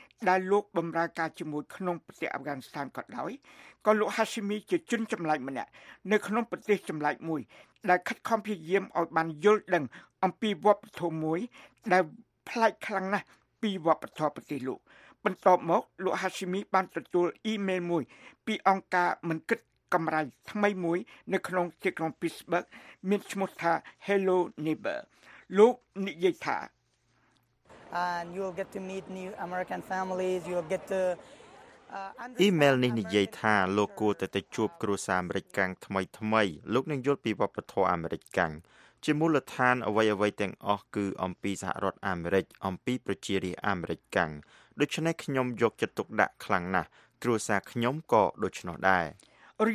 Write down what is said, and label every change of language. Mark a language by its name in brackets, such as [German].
[Khmer] ដែលលោកបម្រើការជាមួយក្នុងប្រទេសអាហ្វហ្គានីស្ថានក៏ដោយក៏លោក Hashimi ជាជនចម្លែកម្នាក់នៅក្នុងប្រទេសចម្លែកមួយដែលខិតខំព្យាយាមឲ្យបានយល់ដឹងអំពីវប្បធម៌មួយដែលប្លែកខ្លាំងណាស់ពីវប្បធម៌ប្រទេសលោកបន្ទាប់មកលោក Hashimi បានទទួលអ៊ីមែលមួយពីអង្គការមិនគិតកម្រៃថ្មីមួយនៅក្នុងទីក្រុង Pittsburgh មានឈ្មោះថា Hello Neighbor លោកនិយាយថា [English] And you'll get to meet new American families you'll get to [Khmer] អ៊ីមែលនេះនិយាយថាលោកគួរតែទៅជួបគ្រួសារអាមេរិកកាំងថ្មីថ្មីលោកនឹងយល់ពីវប្បធម៌អាមេរិកកាំងជាមូលដ្ឋានអ្វីទាំងអស់គឺអំពីសហរដ្ឋអាមេរិកអំពីប្រជារាស្ត្រអាមេរិកកាំងដូច្នេះខ្ញុំយកចិត្តទុកដាក់ខ្លាំងណាស់គ្រួសារខ្ញុំក៏ដូច្នោះដែររ